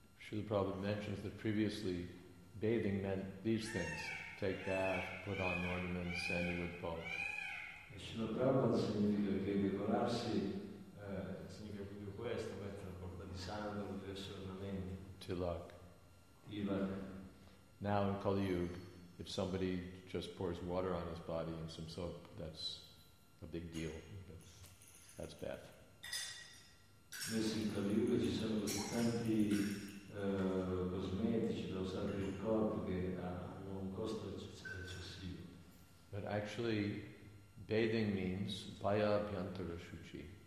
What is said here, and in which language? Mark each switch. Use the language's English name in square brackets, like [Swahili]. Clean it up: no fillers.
[English] Srila Prabhupada mentions that previously bathing meant these things: take bath, put on ornaments, sandalwood pulp. [Italian] Srila Prabhupada significa che decorarsi significa proprio questo: mettere la polpa di sandalo, diversi ornamenti. Tilak. Tilak. [English] Now in Kali Yuga, if somebody just pours water on his body and some soap, that's a big deal. That's bad. [Italian] Adesso in Kali Yuga ci sono così tanti cosmetici da usare il corpo che hanno un costo eccessivo. [English] But actually, bathing means vaya abhyantara shuchi.